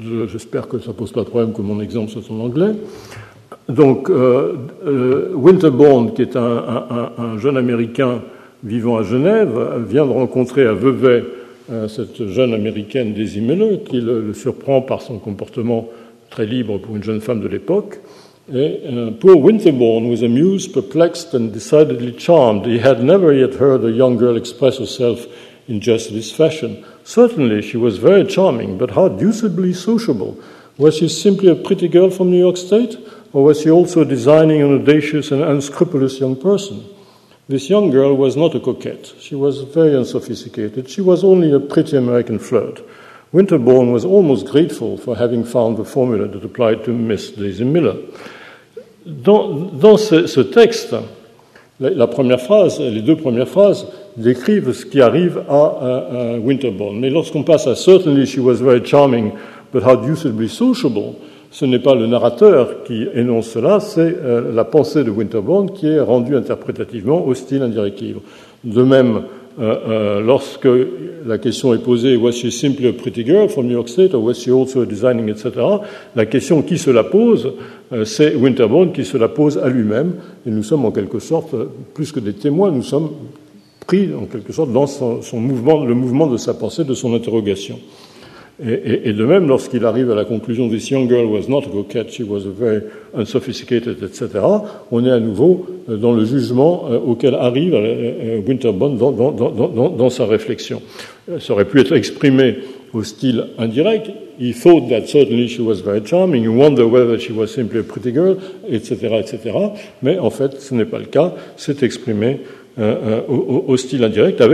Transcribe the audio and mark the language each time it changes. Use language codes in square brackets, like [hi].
[fr] J'espère que ça ne pose pas de problème que mon exemple soit en anglais. Donc, Winterbourne, qui est un jeune Américain vivant à Genève, vient de rencontrer à Vevey cette jeune Américaine des Imeleux, qui le surprend par son comportement très libre pour une jeune femme de l'époque. Et [en] « Poor Winterbourne was amused, perplexed and decidedly charmed. He had never yet heard a young girl express herself in just this fashion. Certainly, she was very charming, but how deucedly sociable. Was she simply a pretty girl from New York State, or was she also a designing, an audacious, and unscrupulous young person? This young girl was not a coquette. She was very unsophisticated. She was only a pretty American flirt. Winterbourne was almost grateful for having found the formula that applied to Miss Daisy Miller. [fr] Dans ce texte, la première phrase, les deux premières phrases décrivent ce qui arrive à Winterbourne. Mais lorsqu'on passe à « [en] Certainly she was very charming, but how deucedly sociable [fr] », ce n'est pas le narrateur qui énonce cela, c'est la pensée de Winterbourne qui est rendue interprétativement au style indirective. De même, lorsque la question est posée « [en] Was she simply a pretty girl from New York State, or was she also a designing, etc. [fr] », la question qui se la pose, c'est Winterbourne qui se la pose à lui-même, et nous sommes en quelque sorte, plus que des témoins, nous sommes pris en quelque sorte dans son mouvement, le mouvement de sa pensée, de son interrogation. Et de même, lorsqu'il arrive à la conclusion « [en] This young girl was not a coquette, she was very unsophisticated, etc. [fr] », on est à nouveau dans le jugement auquel arrive Winterbourne dans sa réflexion. Ça aurait pu être exprimé au style indirect. [en] « He thought that certainly she was very charming, you wonder whether she was simply a pretty girl, [fr] etc. etc. » Mais en fait, ce n'est pas le cas, c'est exprimé au style indirect.